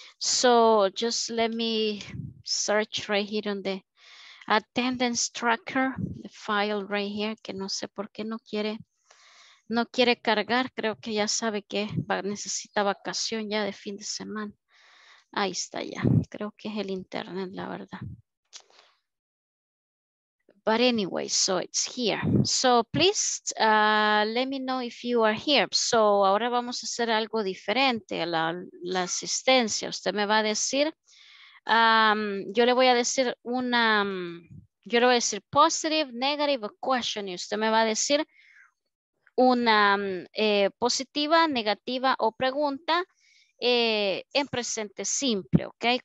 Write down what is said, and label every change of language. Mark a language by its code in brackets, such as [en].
[en] So just let me search right here on the attendance tracker, the file right here, [es] que no sé por qué no quiere. No quiere cargar, creo que ya sabe que va, necesita vacación ya de fin de semana. Ahí está ya, creo que es el internet, la verdad. [en] But anyway, so it's here. So please let me know if you are here. [es] So ahora vamos a hacer algo diferente, la asistencia. Usted me va a decir, yo le voy a decir una, yo le voy a decir [en] positive, negative, question. [es] Y usted me va a decir una positiva, negativa o pregunta en presente simple, ¿ok?